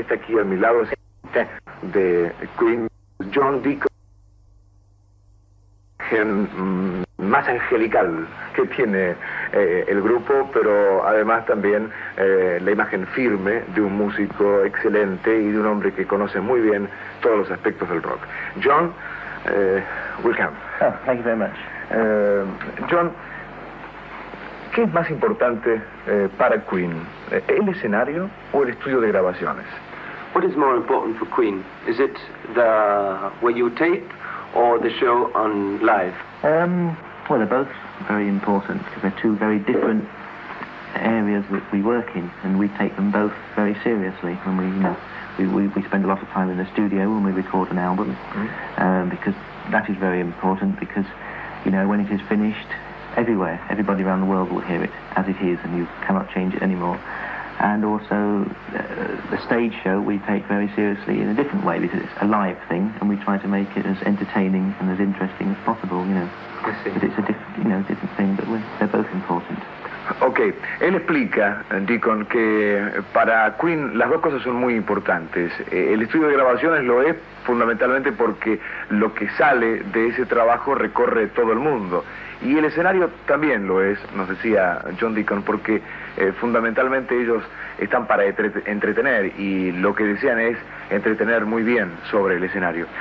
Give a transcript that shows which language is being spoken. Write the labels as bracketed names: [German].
[Spanish] Está aquí a mi lado de Queen, John Deacon, más angelical que tiene el grupo, pero además también la imagen firme de un músico excelente y de un hombre que conoce muy bien todos los aspectos del rock. [English] John, welcome. Oh, thank you very much. [Spanish] John, ¿qué es más importante para Queen, el escenario o el estudio de grabaciones? [English] What is more important for Queen? Is it the where you tape or the show on live? Well, they're both very important because they're two very different areas that we work in, and we take them both very seriously. And we spend a lot of time in the studio when we record an album, because that is very important, because, you know, when it is finished, everybody around the world will hear it as it is, and you cannot change it anymore. And also the stage show we take very seriously in a different way, because it's a live thing and we try to make it as entertaining and as interesting as possible, you know. I see. But it's a different thing, but they're both important. [Spanish] Okay, él explica, Deacon, que para Queen las dos cosas son muy importantes. El estudio de grabaciones lo es fundamentalmente porque lo que sale de ese trabajo recorre todo el mundo. Y el escenario también lo es, nos decía John Deacon, porque fundamentalmente ellos están para entretener y lo que desean es entretener muy bien sobre el escenario.